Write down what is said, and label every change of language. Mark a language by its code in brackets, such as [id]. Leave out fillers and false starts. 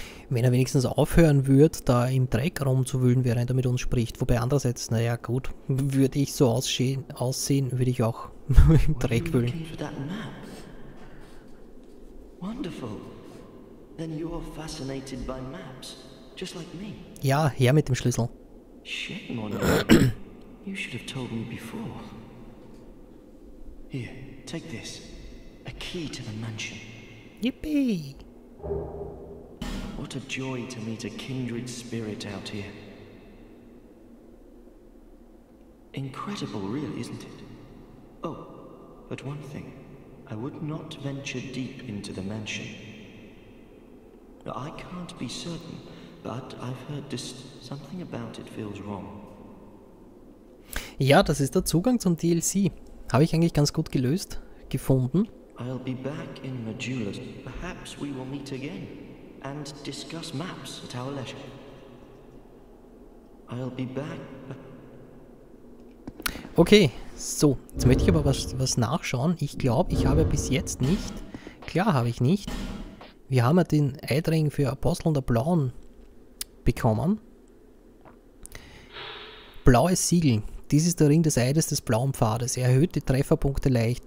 [de] Wenn er wenigstens aufhören würde, da im Dreck rumzuwühlen, während er mit uns spricht. Wobei andererseits, naja gut, würde ich so aussehen, würde ich auch im Dreck wühlen. [en] Wonderful. Then you're fascinated by maps, just like me. [de] Ja, her mit dem Schlüssel. [en] Shame on you. You should have told me before. Here, take this. A key to the mansion. Yippee! What a joy to meet a kindred spirit out here. Incredible, really, isn't it? Oh, but one thing. I would not venture deep into the mansion. I can't be certain, but I've heard this, something about it feels wrong. [de] Ja, das ist der Zugang zum DLC. Habe ich eigentlich ganz gut gelöst, gefunden. [en] I'll be back in Majula. Perhaps we will meet again and discuss maps at our leisure. I'll be back. [de] Okay, so, jetzt möchte ich aber was nachschauen. Ich glaube, ich habe bis jetzt nicht. Klar habe ich nicht. Wir haben ja den Eidring für Apostel und der Blauen bekommen. Blaues Siegel. Dies ist der Ring des Eides des blauen Pfades. Er erhöht die Trefferpunkte leicht.